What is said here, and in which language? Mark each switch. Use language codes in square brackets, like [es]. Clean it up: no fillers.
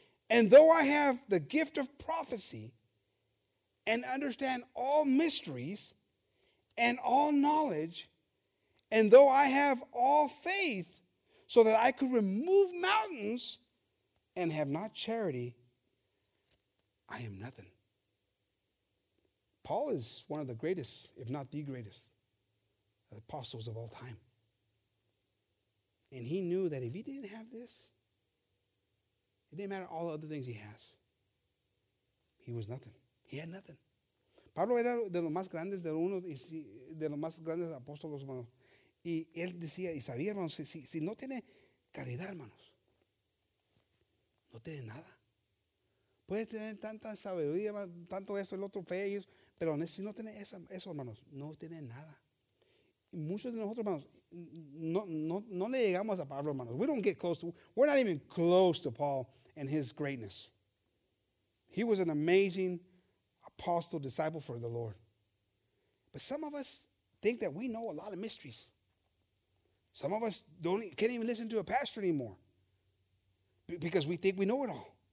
[en] And though I have the gift of prophecy and understand all mysteries and all knowledge, and though I have all faith so that I could remove mountains and have not charity, I am nothing. Paul is one of the greatest, if not the greatest, apostles of all time. And he knew that if he didn't have this, it didn't matter all the other things he has. He was nothing. He had nothing. [es] Pablo era de los más grandes, apóstoles, hermanos. Y él decía, y sabía, hermanos, si no tiene caridad, hermanos, no tiene nada. Puede tener tanta sabiduría, tanto eso, el otro fe, pero si no tiene eso, hermanos, no tiene nada. Y muchos de nosotros, hermanos, no le llegamos a Pablo, hermanos. [en] We don't get close to, we're not even close to Paul and his greatness. He was an amazing apostle, disciple for the Lord. But some of us think that we know a lot of mysteries. Some of us can't even listen to a pastor anymore because we think we know it all.